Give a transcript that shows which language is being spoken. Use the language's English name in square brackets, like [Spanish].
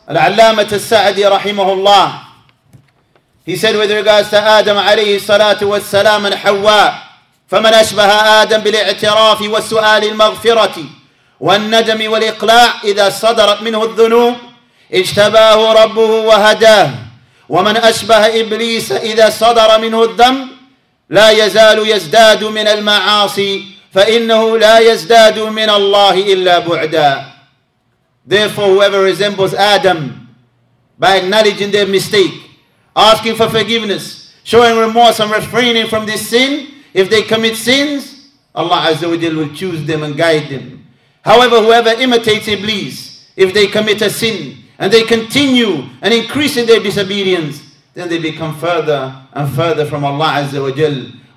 [English] Al-Allamah Al-Sa'di rahimahullah, he said with regards to Adam alayhi salatu wa salam and Hawa, [Arabic] فَمَنْ أَشْبَهَ آدَمْ بِالْإِعْتِرَافِ وَالسُّؤَالِ الْمَغْفِرَةِ وَالنَّدَمِ وَالْإِقْلَاعِ إِذَا صَدَرَتْ مِنْهُ الذُّنُوبِ اجتباه ربه وهداه. ومن أشبه إبليس إذا صدر منه الدم لا يزال يزداد من المعاصي، فإنه لا يزداد من الله إلا بعدا. [English] Therefore, whoever resembles Adam by acknowledging their mistake, asking for forgiveness, showing remorse and refraining from this sin, if they commit sins, Allah Azza wa Jalla will choose them and guide them. However, whoever imitates Iblis, if they commit a sin and they continue and increase in their disobedience, then they become further and further from Allah Azza wa Jalla.